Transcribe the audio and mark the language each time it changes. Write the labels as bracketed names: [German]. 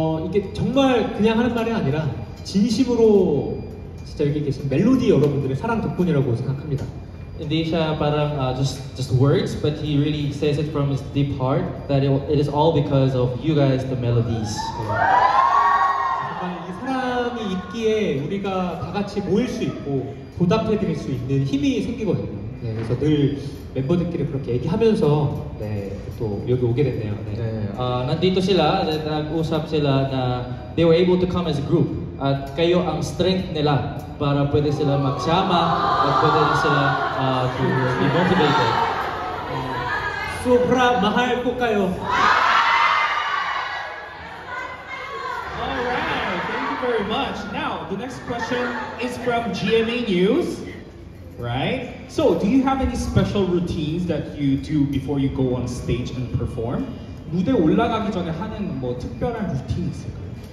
[Korean] 이게 정말 그냥 하는 말이 아니라 진심으로 진짜 여기 계신 멜로디 여러분들의 사랑 덕분이라고 생각합니다. [Filipino] Hindi siya parang [English] just words, but he really says it from his deep heart that it is all because of you guys, the melodies. [Korean] 이 사람이 있기에 우리가 다 같이 모일 수 있고 보답해드릴 수 있는 힘이 생기거든요. 네, 그래서 늘 멤버들끼리 그렇게 얘기하면서 네, 또 여기 오게 됐네요. 네. [Filipino] 난디토 sila, nag-usap sila na [English] they were able to come as a group. [Filipino] At kayo ang strength nila para pwede sila magsama at pwede sila [English] to be motivated. [Filipino] Sobra mahal ko kayo. [English] Alright, thank you very much. Now, the next question is from GMA News. Right? So, do you have any special routines that you do before you go on stage and perform? [Korean] 무대 올라가기 전에 하는 뭐 특별한 루틴 있을까요?